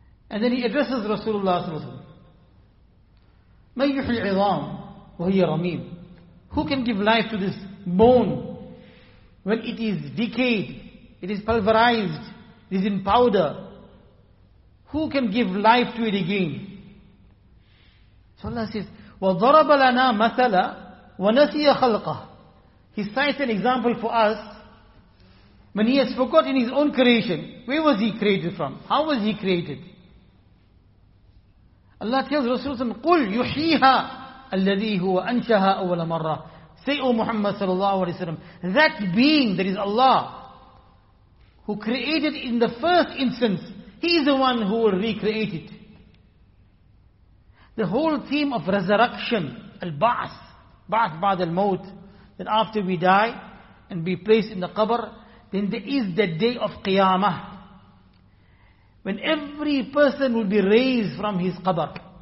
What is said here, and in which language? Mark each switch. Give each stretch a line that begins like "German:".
English: And then he addresses Rasulullah sallallahu alaihi wasallam.
Arabic: مَنْ يُحْلِ عِظَامُ وَهِيَ رَمِيمُ.
English: Who can give life to this bone when it is decayed, it is pulverized, it is in powder? Who can give life to it again? So Allah says,
Arabic: وَضَرَبَ لَنَا مَثَلًا وَنَسِيَ خَلْقَهُ.
English: He cites an example for us when he has forgotten his own creation. Where was he created from? How was he created? Allah tells Rasulullah,
Arabic: قُلْ يُحْيِيهَا الَّذِي هُوَ أَنْشَهَا أَوَّلَ مَرَّةٍ.
English: Say, O Muhammad sallallahu alayhi wa sallam, that being, that is Allah, who created in the first instance, He is the one who will recreate it. The whole theme of resurrection, al-ba'ath, ba'ath ba'd al-maut, that after we die and be placed in the qabr, then there is the day of qiyamah, when every person will be raised from his qabr.